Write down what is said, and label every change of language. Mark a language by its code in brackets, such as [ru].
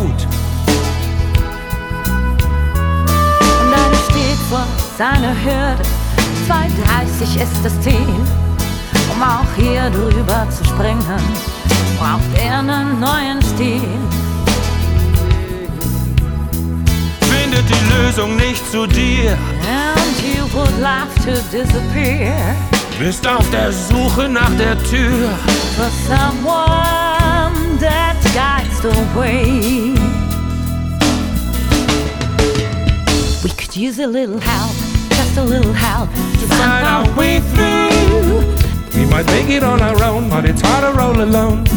[de] Und eine steht vor seiner Hürde. 2:30 ist das Ziel. Um auch hier drüber zu springen, braucht er einen neuen Stil. Findet die Lösung nicht zu dir. [en] And you would love to disappear. [de] Bist auf der Suche nach der Tür. [en] For someone that guides the way. We could use a little help, just a little help. To find our way through. We might make it on our own, but it's hard to roll alone.